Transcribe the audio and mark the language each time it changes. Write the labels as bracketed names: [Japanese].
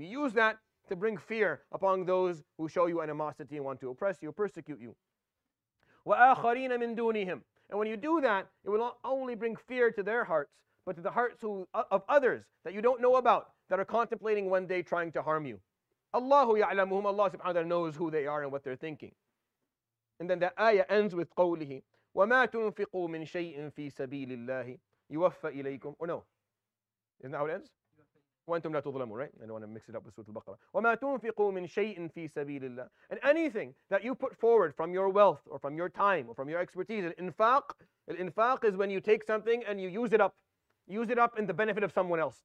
[English] You use that to bring fear upon those who show you animosity and want to oppress you, persecute you. [Arabic] وَآخَرِينَ مِن دُونِهِمْ. [English] And when you do that, it will not only bring fear to their hearts, but to the hearts of others that you don't know about, that are contemplating one day trying to harm you. [Arabic] اللَّهُ يَعْلَمُهُمْ. [English] Allah subhanahu wa ta'ala knows who they are and what they're thinking. And then the ayah ends with [Arabic] قَوْلِهِ وَمَا تُنْفِقُوا مِن شَيْءٍ فِي سَبِيلِ اللَّهِ يُوَفَّ إِلَيْكُمْ. [English] Or no? Isn't that how it ends? [Arabic] وَأَنْتُمْ لَا تُظْلَمُوا, [English] right? I don't want to mix it up with Surah Al-Baqarah. [Arabic] وَمَا تُنْفِقُوا مِنْ شَيْءٍ فِي سَبِيلِ اللَّهِ. [English] And anything that you put forward from your wealth or from your time or from your expertise, al-infaq is when you take something and you use it up in the benefit of someone else.